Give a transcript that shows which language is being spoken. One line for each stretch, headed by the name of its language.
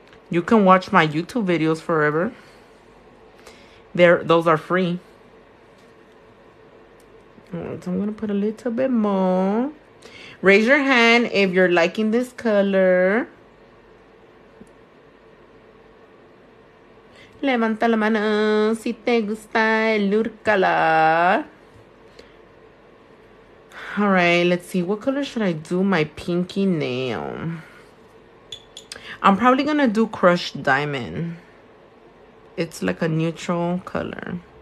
English: You can watch my YouTube videos forever. Those are free. Right, so I'm gonna put a little bit more. Raise your hand if you're liking this color.
Spanish: Levanta la mano si te gusta el color.
English: All right, let's see. What color should I do my pinky nail? I'm probably gonna do crushed diamond. It's like a neutral color.